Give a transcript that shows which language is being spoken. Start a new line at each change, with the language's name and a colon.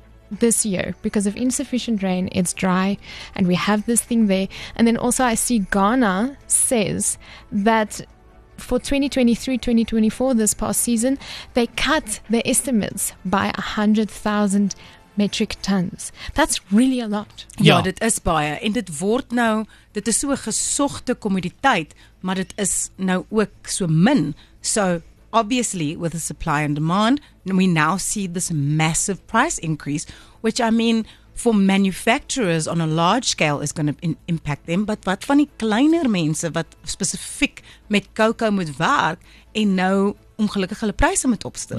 English: This year, because of insufficient rain, it's dry, and we have this thing there. And then also I see Ghana says that for 2023-2024, this past season, they cut their estimates by 100,000 metric tons. That's really a lot.
Afrikaans: Ja, dit is baie. En dit word nou, dit is so 'n gesogte kommoditeit, maar dit is nou ook so min.
English: So obviously, with the supply and demand, we now see this massive price increase, which, I mean, for manufacturers on a large scale is going to impact them.
Afrikaans: But wat van die kleiner mense wat specifiek met cocoa moet werk en nou ongelukkig hulle pryse moet opstel?